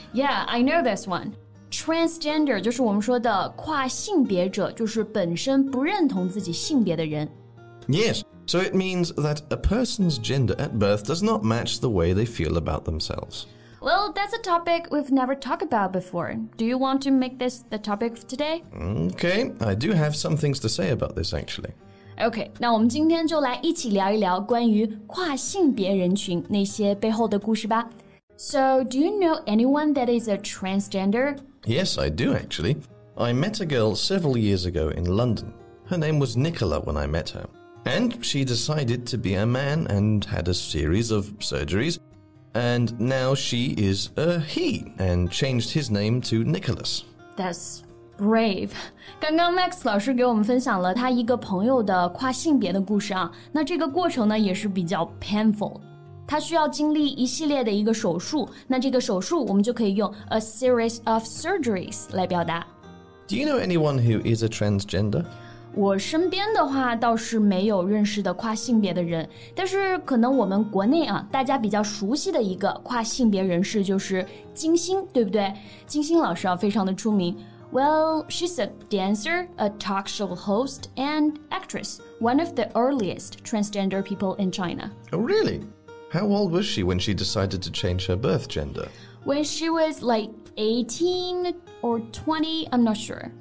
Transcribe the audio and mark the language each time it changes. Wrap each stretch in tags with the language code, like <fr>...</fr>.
<en>Yeah, I know this one.</en> <zh>Transgender 就是我们说的跨性别者，就是本身不认同自己性别的人。</zh> <en>Yes, so it means that a person's gender at birth does not match the way they feel about themselves. Well, that's a topic we've never talked about before. Do you want to make this the topic of today? Okay, I do have some things to say about this actually.</en> <zh>Okay, 那我们今天就来一起聊一聊关于跨性别人群那些背后的故事吧。</zh> <en>So, do you know anyone that is a transgender? Yes, I do, actually. I met a girl several years ago in London. Her name was Nicola when I met her. And she decided to be a man and had a series of surgeries. And now she is a he and changed his name to Nicholas. That's brave.</en> <zh>刚刚 Max 老师给我们分享了他一个朋友的跨性别的故事啊。那这个过程呢也是比较 painful. 他需要经历一系列的一个手术，那这个手术我们就可以用</zh> <en>a series of surgeries</en> <zh>来表达。</zh> <en>Do you know anyone who is a transgender?</en> <zh>我身边的话倒是没有认识的跨性别的人，但是可能我们国内啊，大家比较熟悉的一个跨性别人士就是金星，对不对？金星老师啊，非常的出名。</zh> <en>Well, she's a dancer, a talk show host, and actress, one of the earliest transgender people in China. Oh, really? How old was she when she decided to change her birth gender? When she was like 18 or 20, I'm not sure.</en>